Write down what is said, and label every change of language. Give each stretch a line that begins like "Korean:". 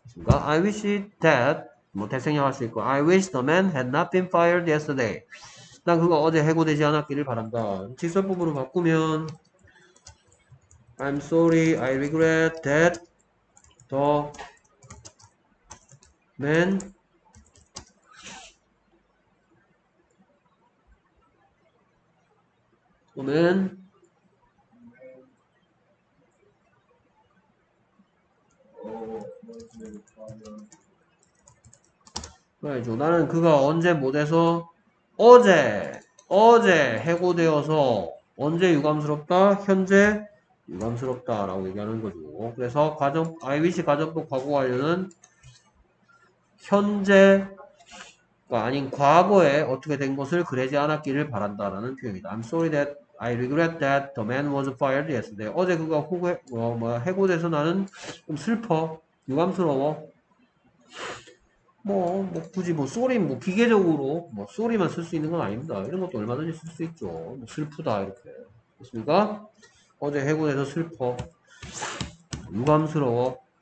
English: I wish that,
Korean: 뭐, 대생략 할수 있고,
English: I wish the man had not been fired yesterday.
Korean: 난 그거 어제 해고되지 않았기를 바란다. 직설법으로 바꾸면,
English: I'm sorry, I regret that the man Right.
Korean: 나는 그가 언제 못해서 어제 해고되어서 언제 유감스럽다? 현재 유감스럽다라고 얘기하는 거죠. 그래서
English: I wish
Korean: 가정법 과거 완료는 현재가 아닌 과거에 어떻게 된 것을 그레지 않았기를 바란다라는 표현이다.
English: I'm sorry that I regret that the man was fired yesterday.
Korean: 어제 그가 해고돼서 나는 좀 슬퍼. 유감스러워. 굳이 쏘리 기계적으로 쏘리만 쓸수 있는 건 아닙니다. 이런 것도 얼마든지 쓸수 있죠. 슬프다 이렇게. 그렇습니까? 어제 해고돼서 슬퍼. 유감스러워.